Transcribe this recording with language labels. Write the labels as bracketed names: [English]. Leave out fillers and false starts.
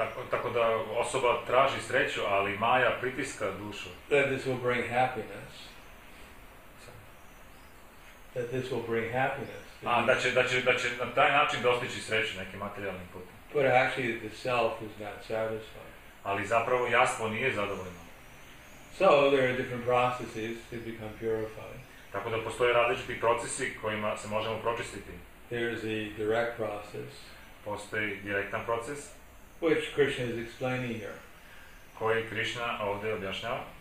[Croatian] Tako da osoba traži sreću, ali Maja pritiska dušu. [English] That this will bring happiness. That this will bring happiness. [Croatian] A, da će na taj način dostići sreću nekim materijalnim putem. [English] But actually the self is not satisfied. [Croatian] Ali zapravo jastvo nije zadovoljno. [English] So there are different processes to become purified. [Croatian] Tako da postoje različiti procesi kojima se možemo pročistiti. [English] There is a direct process. [Croatian] Postoji direktan proces. [English] Which Krishna is explaining here. [Croatian] Koji Krishna ovdje objašnjava?